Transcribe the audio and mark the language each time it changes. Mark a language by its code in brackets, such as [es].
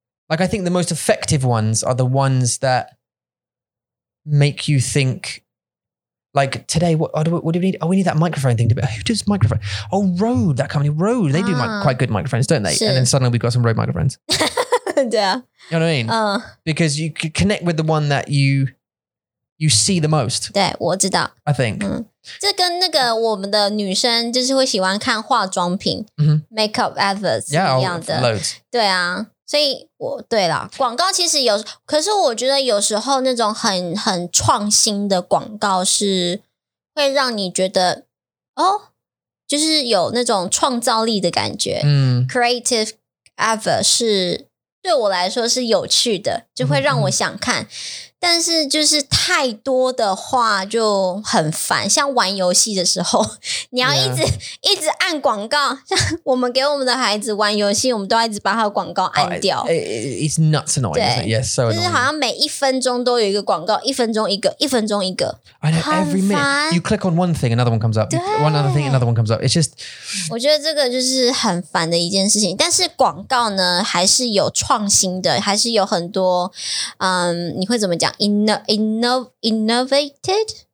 [en] Like, I think the most effective ones are the ones that make you think, like, today, what do we need? Oh, we need that microphone thing to be. Who does microphone? Oh, Rode, that company, Rode. They do quite good microphones, don't they? And then suddenly we've got some Rode microphones. Yeah. You know what I mean? Because you could connect with the one that you see the most. [zh] 对我知道 [en] I think.、 [zh] 嗯、这跟那个我们的女生就是会喜欢看化妆品、 [en] mm-hmm. makeup adverts [zh] 一样的 [en] yeah, loads. [zh] 对啊。所以我对啦广告其实有可是我觉得有时候那种很创新的广告是会让你觉得哦就是有那种创造力的感觉。嗯 , [en] creative ever [zh] 是对我来说是有趣的就会让我想看。嗯嗯但是就是太多的话就很烦像玩游戏的时候你要一直、 [en] yeah. [zh] 一直按广告像我们给我们的孩子玩游戏我们都要一直把他的广告按掉、 [en] It's nuts annoying, isn't it? Yes, so annoying. [zh] 就是好像每一分钟都有一个广告一分钟一个 [en] I know, every minute. You click on one thing, another one comes up. One other thing, another one comes up. It's just... [zh] 我觉得这个就是很烦的一件事情但是广告呢还是有创新的还是有很多你会怎么讲innovative